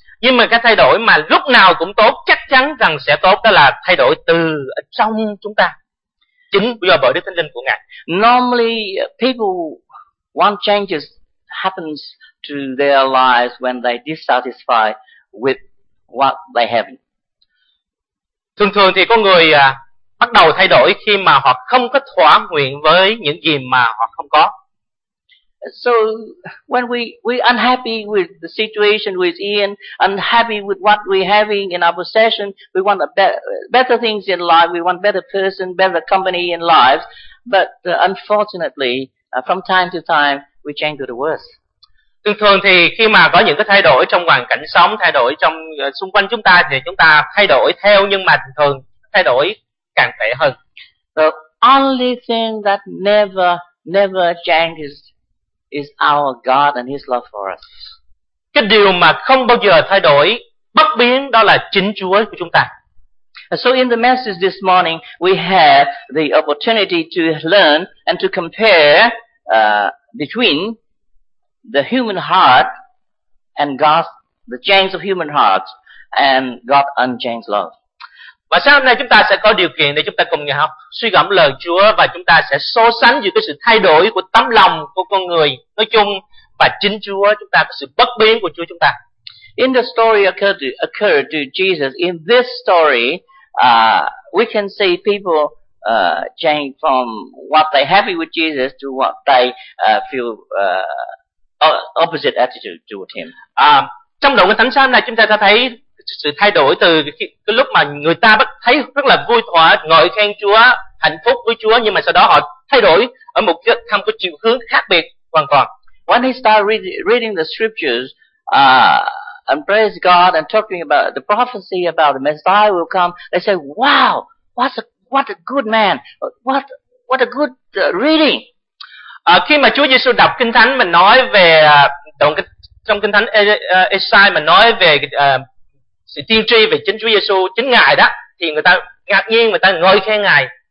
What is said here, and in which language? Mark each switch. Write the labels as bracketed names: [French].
[Vietnamese] Nhưng mà cái thay đổi mà lúc nào cũng tốt, chắc chắn rằng sẽ tốt, đó là thay đổi từ trong chúng ta, chính do bởi Đức Thánh Linh của Ngài. [English] Normally people want changes happens to their lives when they dissatisfy with what they have. [Vietnamese] Thường thường thì con người bắt đầu thay đổi khi mà họ không có thỏa nguyện với những gì mà họ không có. [English] So when we unhappy with the situation with Ian, unhappy with what we having in our possession, we want a better things in life, we want better person, better company in life, but unfortunately from time to time we change to the worse. [Vietnamese] Thường thường thì khi mà có những cái thay đổi trong hoàn cảnh sống, thay đổi trong xung quanh chúng ta thì chúng ta thay đổi theo, nhưng mà thường thay đổi càng tệ hơn. [English] The only thing that never changes is our God and His love for us. [Vietnamese] Cái điều mà không bao giờ thay đổi, bất biến, đó là chính Chúa của chúng ta. [English] So in the message this morning, we have the opportunity to learn and to compare between the human heart and God, the chains of human hearts and God unchained love. [Vietnamese] Và sáng hôm nay chúng ta sẽ có điều kiện để chúng ta cùng nhau suy gẫm lời Chúa, và chúng ta sẽ so sánh giữa cái sự thay đổi của tấm lòng của con người nói chung và chính Chúa chúng ta, sự bất biến của Chúa chúng ta. [English] In the story occurred to Jesus, in this story, we can see people change from what they happy with Jesus to what they feel opposite attitude toward him. [Vietnamese] Trong đoạn thánh sáng này chúng ta sẽ thấy sự thay đổi từ cái lúc mà người ta bắt thấy rất là vui thỏa, ngợi khen Chúa, hạnh phúc với Chúa, nhưng mà sau đó họ thay đổi ở một cái tham của chiều hướng khác biệt hoàn toàn. [English] When he started reading the scriptures and praise God and talking about the prophecy about the Messiah will come, they say, wow, what a good man, what a good reading. [Vietnamese] Khi mà Chúa Giêsu đọc Kinh Thánh mà nói về trong Kinh Thánh Esai mà nói về sự tiên tri về chính Chúa Giêsu, chính Ngài đó, thì người ta ngạc nhiên, người ta ngợi khen Ngài.